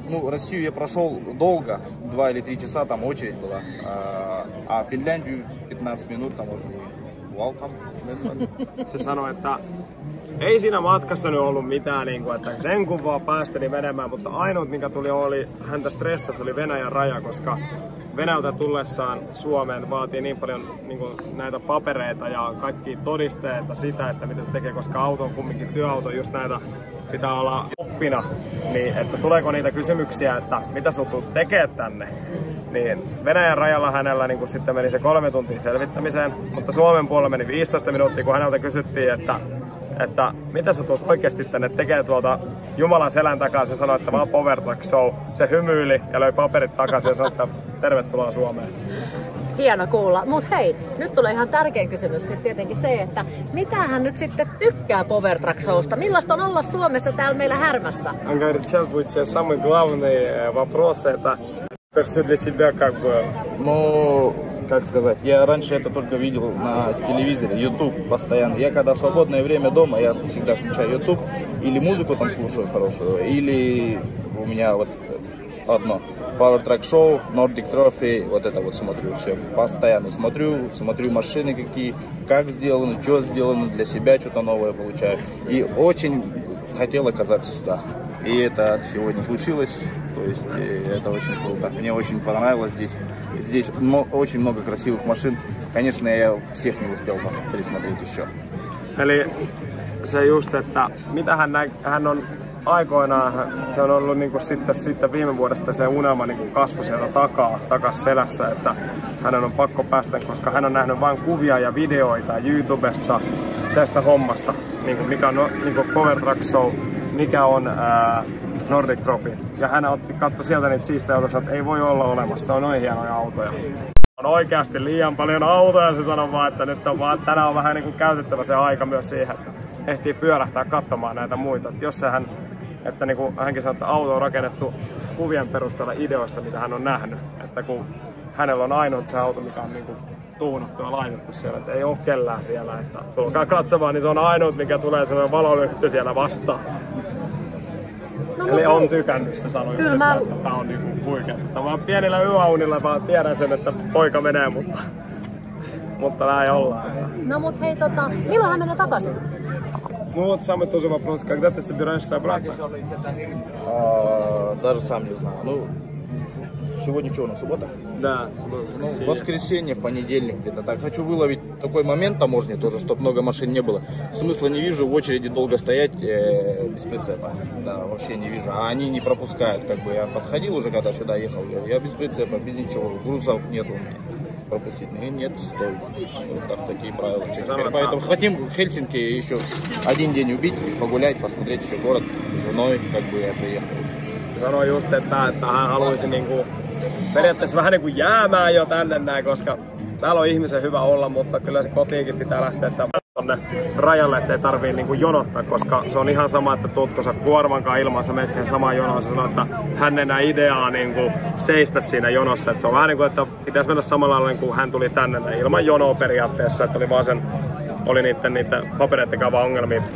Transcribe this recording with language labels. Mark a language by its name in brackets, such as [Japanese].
[Russian] Россию я прошел долго, 2 или 3 часа там очередь была, а Финляндию 15 минут там уже welcome. [Finnish] Se sanoi, että ei siinä matkassa nyt ollut mitään, niin kuin, että sen kun vaan päästeni menemään, mutta ainut mikä tuli oli häntä stressas, oli Venäjän raja, koska Venäjältä tullessaan Suomeen vaatii niin paljon niin kuin näitä papereita ja kaikki todisteita sitä, että mitä se tekee, koska auto on kumminkin työauto, just näitä pitää olla oppina, niin että tuleeko niitä kysymyksiä, että mitä sut tulet tekemään tänne. Niin Venäjän rajalla hänellä niin kuin sitten meni se 3 tuntia selvittämiseen, mutta Suomen puolella meni 15 minuuttia, kun häneltä kysyttiin, että mitä sä tulet oikeasti tänne tekemään tuolta Jumalan selän takaa. Se sanoi, että vaan power truck show. Se hymyili ja löi paperit takaisin ja sanoi, että tervetuloa Suomeen. Hieno kuulla. Mut hei, nyt tulee ihan tärkein kysymys sitten tietenkin se, että mitä hän nyt sitten tykkää Power Truck Showsta? Millaista on olla Suomessa täällä meillä Härmässä? [Russian] Hän говорит, сейчас будет тебе самый главный вопрос, это все для тебя как бы... Ну, как сказать, я раньше это только видел на телевизоре, YouTube постоянно. Я когда в свободное время дома, я всегда включаю YouTube, или музыку там слушаю хорошую, или у меня вот одно... Power Track Show, Nordic Trophy, вот это вот смотрю, все, постоянно смотрю машины какие, как сделаны, что сделано, для себя что-то новое получаю. И очень хотел оказаться сюда. И это сегодня случилось, то есть это очень круто. Мне очень понравилось здесь очень много красивых машин. Конечно, я всех не успел пересмотреть еще. Или все just, это, мита хан он... [Finnish] Aikoinaan se on ollut niin kuin sitten viime vuodesta se unelma niin kuin kasvoi sieltä takas selässä, että hänen on pakko päästä, koska hän on nähnyt vain kuvia ja videoita YouTubesta tästä hommasta, niin kuin mikä on niin kuin Power Truck Show, mikä on Nordic Trophy. Ja hän otti katto sieltä niitä siistejä autoja, että ei voi olla olemassa, on noin hienoja autoja. On oikeasti liian paljon autoja, se sanoo vaan, että nyt on vaan, että tänään on vähän niin kuin käytettävä se aika myös siihen, että ehtii pyörähtää katsomaan näitä muita. Että jos sehän, että niin kuin hänkin sanoi, että auto on rakennettu kuvien perusteella ideoista, mitä hän on nähnyt. Että kun hänellä on ainoa se auto, mikä on niin kuin tuunattu ja laitettu siellä, että ei ole kellään siellä. Että tulkaa katsomaan, niin se on ainoa, mikä tulee sellainen valolyhty siellä vastaan. No, eli on tykännyt, se sanoi, että tämä on niin kuin huikea. Että vaan pienillä yöaunilla vaan tiedän sen, että poika menee, mutta näin ollaan. Että. No mut hei, milloin hän menee takaisin? [Russian] Ну вот самый тоже вопрос, когда ты собираешься обратно? Даже сам не знаю. Ну, Сегодня что у нас, суббота? Да, суббота, воскресенье, в понедельник где-то. Так, хочу выловить такой момент таможни тоже, чтобы много машин не было. Смысла не вижу в очереди долго стоять без прицепа. Да, вообще не вижу. А они не пропускают, как бы я подходил уже, когда сюда ехал. Я без прицепа, без ничего, грузов нету у меня. Пропустить. И нет, стой. Вот так, такие правила. Поэтому хотим в Хельсинки еще один день убить, погулять, посмотреть еще город. С женой как бы я приехал. [Finnish] Sanoin just, että hän haluaisi niinku periaatteessa vähän niinku jäämään jo tänne näin, koska täällä on ihmisen hyvä olla, mutta kyllä se kotiinkin pitää lähteä tonne rajalle, ettei tarvii niinku jonottaa, koska se on ihan sama, että tutko sä kuormankaan ilman, sä menet siihen samaan jonoon, sä sanoo, että hän enää ideaa niinku seistä siinä jonossa. Et se on vähän niinku, että pitäis mennä samalla lailla, kun hän tuli tänne näin, ilman jonoa periaatteessa, että oli vaan sen, oli niiden papereiden kanssa vaan ongelmia.